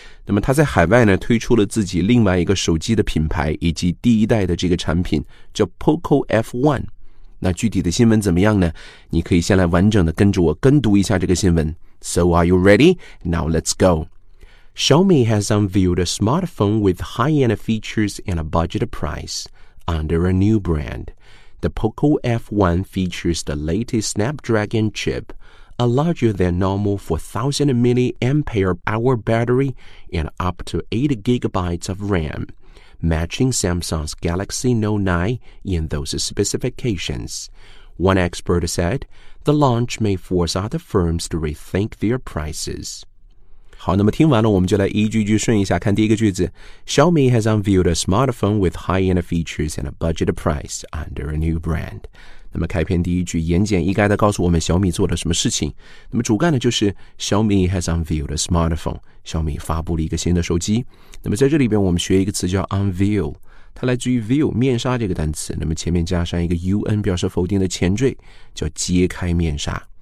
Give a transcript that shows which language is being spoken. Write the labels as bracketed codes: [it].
[zh] 那么它在海外呢，推出了自己另外一个手机的品牌，以及第一代的这个产品，叫 Poco F1. 那具体的新闻怎么样呢？你可以先来完整的跟着我跟读一下这个新闻。 [en] So are you ready? Now let's go. Xiaomi has unveiled a smartphone with high-end features and a budget price under a new brand. The Poco F1 features the latest Snapdragon chip, a larger than normal 4000 mAh battery and up to 8GB of RAM. Matching Samsung's Galaxy Note 9 in those specifications. One expert said, the launch may force other firms to rethink their prices. [zh] 好，那么听完了，我们就来一句一句顺一下看第一个句子。 [en] Xiaomi has unveiled a smartphone with high-end features and a budget price under a new brand. [zh] 那么开篇第一句言简意赅地告诉我们小米做了什么事情。那么主干呢就是 [en] Xiaomi has unveiled a smartphone。 [zh] 小米发布了一个新的手机。那么在这里边我们学一个词叫 unveil， 它来自于 view 面纱这个单词，那么前面加上一个 un 表示否定的前缀，叫揭开面纱。